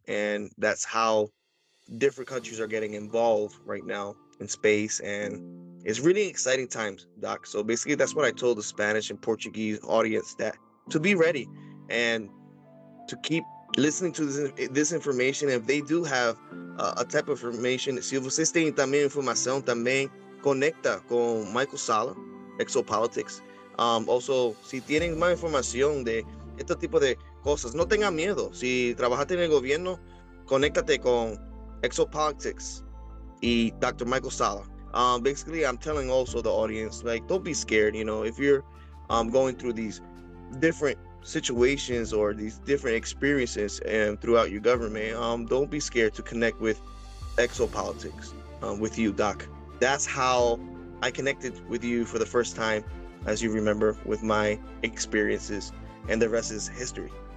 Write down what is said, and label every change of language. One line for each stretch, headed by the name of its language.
English: And that's how different countries are getting involved right now in space. And it's really exciting times, Doc. So basically, that's what I told the Spanish and Portuguese audience, that to be ready and to keep listening to this information. If they do have a type of information,
Portuguese: se vocês têm também informação, também conecta com Michael Salla, Exopolitics.
Spanish: Also, si tienen más información de este tipo de cosas, no tengan miedo. Si trabajaste en el gobierno, conéctate con Exopolitics y Dr. Michael Salla.
English: Basically, I'm telling also the audience, like, don't be scared. You know, if you're going through these different situations or these different experiences and throughout your government, don't be scared to connect with Exopolitics, with you, Doc. That's how I connected with you for the first time, as you remember, with my experiences, and the rest is history.